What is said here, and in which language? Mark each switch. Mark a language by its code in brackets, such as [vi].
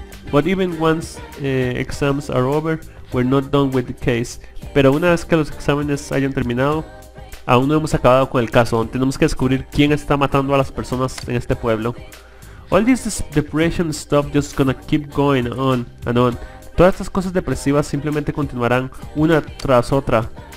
[en] But even once exams are over, we're not done with the case. [es] Pero una vez que los exámenes hayan terminado, aún no hemos acabado con el caso. Tenemos que descubrir quién está matando a las personas en este pueblo. [en] All this depression stuff just gonna keep going on and on. [es] Todas estas cosas depresivas simplemente continuarán una tras otra.